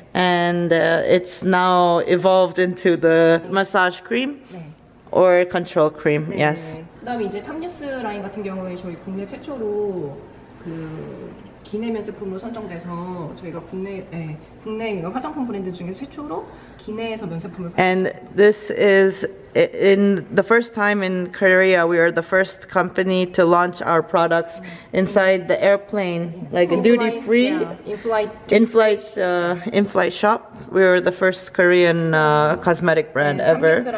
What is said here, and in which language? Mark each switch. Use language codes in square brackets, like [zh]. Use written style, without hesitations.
[en] And it's now evolved into the massage cream [ko] 네. [en] or control cream, 네. yes. [ko] 그 다음에 이제 탐뉴스 라인 같은 경우에 저희 국내 최초로 그 기내면 제품으로 선정돼서 저희가 국내 화장품 브랜드 중에 최초로 기내에서 면 제품을 [en] And this is in the first time in Korea we are the first company to launch our products inside the airplane like a duty free in-flight shop we are the first Korean cosmetic brand ever